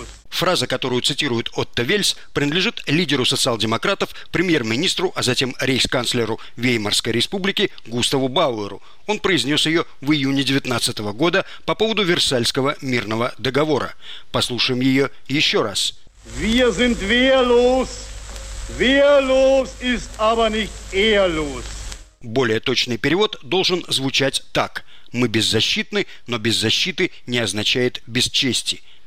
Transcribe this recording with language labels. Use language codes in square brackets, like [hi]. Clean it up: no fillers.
[ru] Фраза, которую цитирует Отто Вельс, принадлежит лидеру социал-демократов, премьер-министру, а затем рейхсканцлеру Веймарской республики Густаву Бауэру. Он произнес ее в июне 1919 года по поводу Версальского мирного договора. Послушаем ее еще раз. [de] Wir sind wehrlos. Wehrlos ist aber nicht ehrlos. [ru] Более точный перевод должен звучать так. «Мы беззащитны, но без защиты не означает без чести».